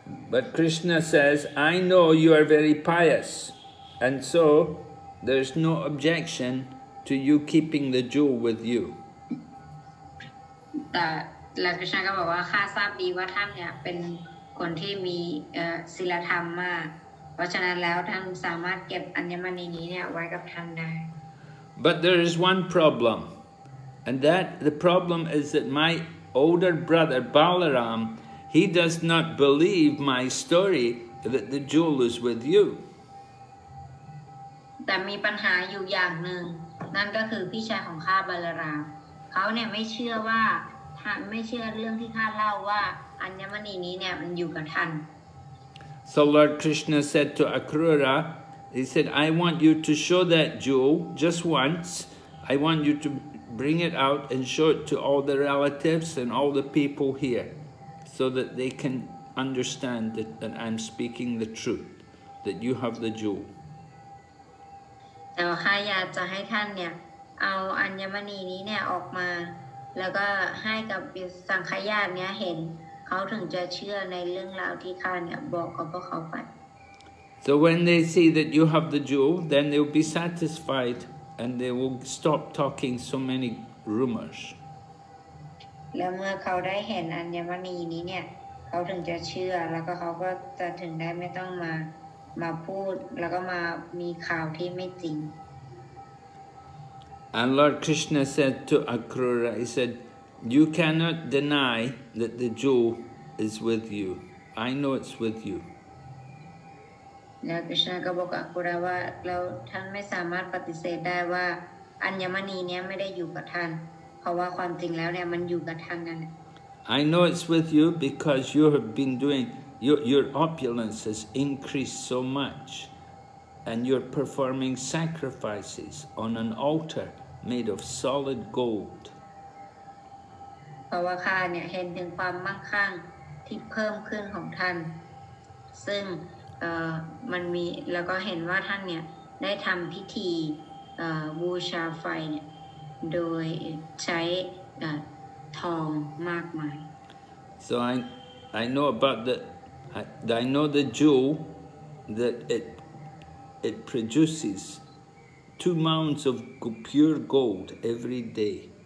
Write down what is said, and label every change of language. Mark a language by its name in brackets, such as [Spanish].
[English] But Krishna says, I know you are very pious, and so there's no objection. To you keeping the jewel with you. [Thai] แต่พระเจ้าก็บอกว่าข้าทราบดีว่าท่านเนี่ยเป็นคนที่มีศีลธรรมมากเพราะฉะนั้นแล้วท่านสามารถเก็บอัญมณีนี้เนี่ยไว้กับท่านได้ [English] But there is one problem, and that the problem is that my older brother Balaram, he does not believe my story that the jewel is with you. [Thai] แต่มีปัญหาอยู่อย่างหนึ่งนั่นก็คือพี่ชายของข้าบาลรามเขาเนี่ยไม่เชื่อว่าไม่เชื่อเรื่องที่ข้าเล่าว่าอัญมณีนี้เนี่ยมันอยู่กับท่าน [English] So Lord Krishna said to Akrura, he said, I want you to show that jewel just once. I want you to bring it out and show it to all the relatives and all the people here, so that they can understand that I'm speaking the truth, that you have the jewel. [Thai] แต่ข้าอยากจะให้ท่านเนี่ยเอาอัญมณีนี้เนี่ยออกมาแล้วก็ให้กับสังฆญาติเนี่ยเห็นเขาถึงจะเชื่อในเรื่องราวที่ข้าเนี่ยบอกกับพวกเขาไป [English] So when they see that you have the jewel, then they will be satisfied and they will stop talking so many rumors. [Thai] แล้วเมื่อเขาได้เห็นอัญมณีนี้เนี่ยเขาถึงจะเชื่อแล้วก็เขาก็จะถึงได้ไม่ต้องมาพูดแล้วก็มามีข่าวที่ไม่จริง [English] And Lord Krishna said to Akrura, he said, you cannot deny that the jewel is with you. I know it's with you. [Thai] แล้ว Krishna ก็บอกอัคคุระว่าแล้วท่านไม่สามารถปฏิเสธได้ว่าอัญมณีนี้ไม่ได้อยู่กับท่านเพราะว่าความจริงแล้วเนี่ยมันอยู่กับท่านนั่นแหละ [English] I know it's with you because you have been doingYour opulence has increased so much, and you're performing sacrifices on an altar made of solid gold. [Thai] เพราะว่าข้าเนี่ยเห็นถึงความมั่งคั่งที่เพิ่มขึ้นของท่านซึ่งมันมีแล้วก็เห็นว่าท่านเนี่ยได้ทำพิธีบูชาไฟเนี่ยโดยใช้ทองมากมาย [English] So I know about I know the jewel that it produces 2 mounds of pure gold every day.